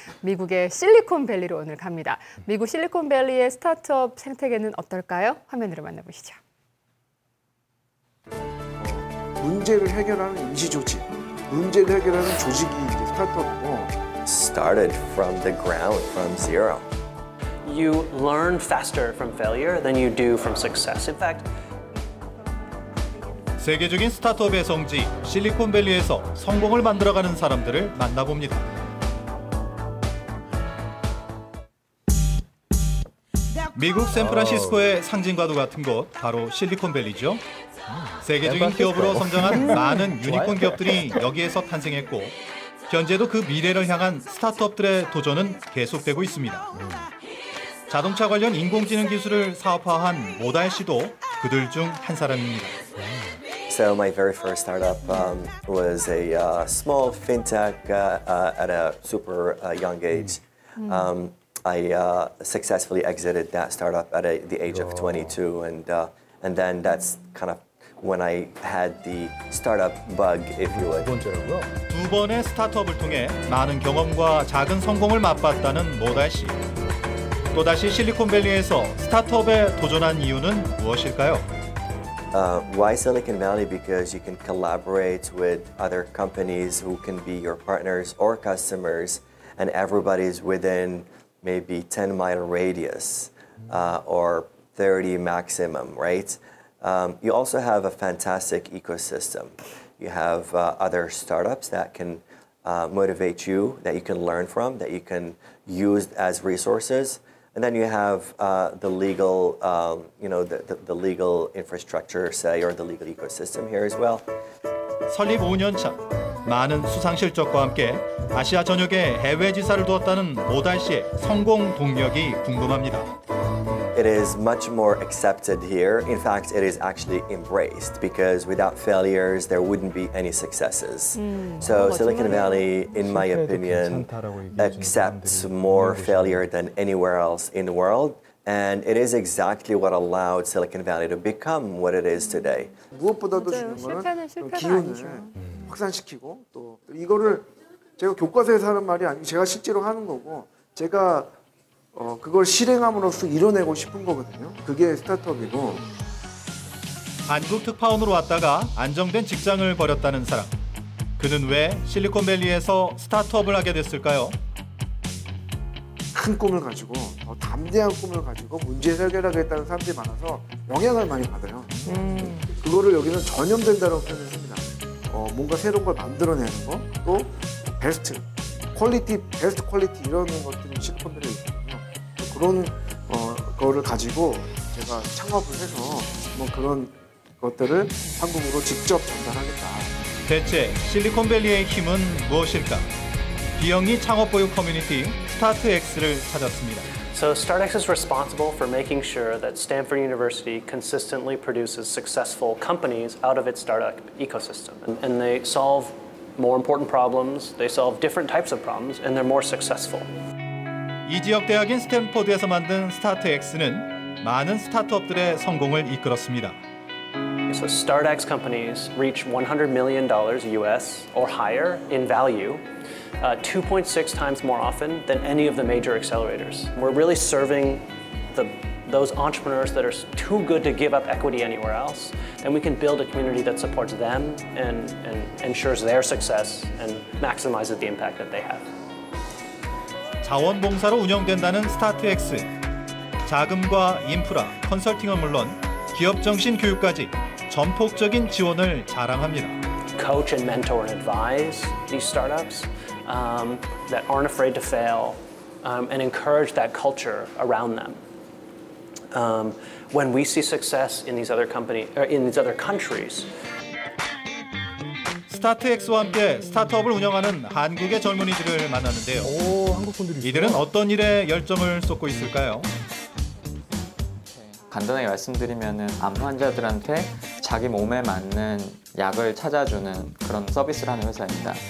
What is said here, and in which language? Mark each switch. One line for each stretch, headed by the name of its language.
Korean: 미국의 실리콘밸리로 오늘 갑니다. 미국 실리콘밸리의 스타트업 생태계는 어떨까요? 화면으로 만나보시죠. 문제를 해결하는 임시조직, 문제를 해결하는 조직이 이제 스타트업이고.
English: Started from the ground, from zero. You learn faster from failure than you do from success. In fact,
Korean: 세계적인 스타트업의 성지 실리콘밸리에서 성공을 만들어가는 사람들을 만나봅니다. 미국 샌프란시스코의 상징과도 같은 곳 바로 실리콘밸리죠. 세계적인 기업으로 성장한 많은 유니콘 기업들이 여기에서 탄생했고 현재도 그 미래를 향한 스타트업들의 도전은 계속되고 있습니다. 자동차 관련 인공지능 기술을 사업화한 모달 씨도 그들 중 한 사람입니다.
English: So my very first startup was a small fintech at a super young age. I successfully exited that startup at the age of 22, and then that's kind of when I had the startup bug, if you will.
Korean: 두 번의 스타트업을 통해 많은 경험과 작은 성공을 맛봤다는 모달 씨. 또다시 실리콘밸리에서 스타트업에 도전한 이유는 무엇일까요?
English: Why Silicon Valley? Because you can collaborate with other companies who can be your partners or customers, and everybody is within maybe 10-mile radius or 30 maximum, right? You also have a fantastic ecosystem. You have other startups that can motivate you, that you can learn from, that you can use as resources. And then you have the legal, you know, the legal infrastructure, say, or the legal ecosystem here as well.
Korean: 설립 5년 차, 많은 수상 실적과 함께 아시아 전역에 해외 지사를 두었다는 모달 씨의 성공 동력이 궁금합니다.
English: It is much more accepted here. In fact, it is actually embraced because without failures, there wouldn't be any successes. So Silicon Valley, in my opinion, accepts more failure than anywhere else in the world. And it is exactly what allowed Silicon Valley to become what it is today.
Korean: 무엇보다도 중요한 건 기운을 확산시키고 또 이거를 제가 교과서에서 하는 말이 아니고 제가 실제로 하는 거고 제가 그걸 실행함으로써 이뤄내고 싶은 거거든요. 그게 스타트업이고. 한국 특파원으로 왔다가 안정된 직장을 버렸다는 사람. 그는 왜 실리콘밸리에서 스타트업을 하게 됐을까요? 큰 꿈을 가지고, 더 담대한 꿈을 가지고 문제 해결하겠다는 사람들이 많아서 영향을 많이 받아요. 그거를 여기는 전염된다고 표현을 합니다. 뭔가 새로운 걸 만들어내는 거, 또 베스트, 퀄리티, 베스트 퀄리티 이런 것들이 실리콘밸리에 있어요. 그런 거를 가지고 제가 창업을 해서 뭐 그런 것들을 한국으로 직접 전달하겠다. 대체 실리콘밸리의 힘은 무엇일까? 비영리 창업 보육 커뮤니티 스타트엑스를 찾았습니다.
English: So StartX is responsible for making sure that Stanford University consistently produces successful companies out of its startup ecosystem, and they solve more important problems. They solve different types of problems, and they're more successful.
Korean: 이 지역 대학인 스탠포드에서 만든 스타트엑스는 많은 스타트업들의 성공을 이끌었습니다.
English: So StartX companies reach $100 million US or higher in value 2.6 times more often than any of the major accelerators. We're really serving those entrepreneurs that are too good to give up equity anywhere else, and we can build a community that supports them and ensures their success and maximizes the impact that they have.
Korean: 자원봉사로 운영된다는 스타트엑스. 자금과 인프라, 컨설팅은 물론 기업정신 교육까지 전폭적인 지원을 자랑합니다.
English: Coach and mentor and advise these startups that aren't afraid to fail and encourage that culture around them. When we see success in these other companies, in these other countries,
Korean: 스타트엑스와 함께 스타트업을 운영하는 한국의 젊은이들을 만났는데요. 오, 한국 분들이 이들은 어떤 일에 열정을 쏟고 있을까요? 간단하게 말씀드리면 암 환자들한테 자기 몸에 맞는 약을 찾아주는 그런 서비스를 하는 회사입니다.